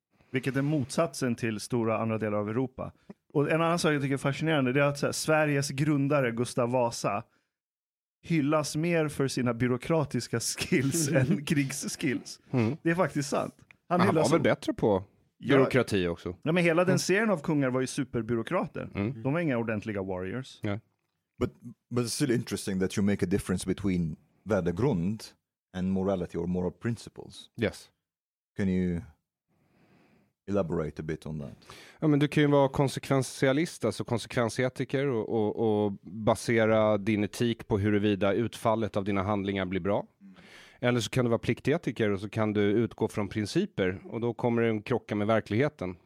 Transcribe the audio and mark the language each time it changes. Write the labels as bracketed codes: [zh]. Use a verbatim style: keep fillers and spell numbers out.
[sv] Vilket är motsatsen till stora andra delar av Europa. Och en annan sak jag tycker är fascinerande, det är att så här, Sveriges grundare Gustav Vasa hyllas mer för sina byråkratiska skills än krigsskills. Mm. Det är faktiskt sant. Han, Han var som... väl bättre på byråkrati också. Ja, men hela den serien av kungar var ju superbyråkrater. Mm. De var inga ordentliga warriors. [en] Yeah. But, but it's still interesting that you make a difference between värdegrund and morality or moral principles. Yes. Can you... elaborate a bit on that. [sv] Ja, men du kan ju vara konsekventialist, alltså konsekvensetiker och, och, och basera din etik på huruvida utfallet av dina handlingar blir bra. Eller så kan du vara pliktetiker och så kan du utgå från principer och då kommer det en krocka med verkligheten.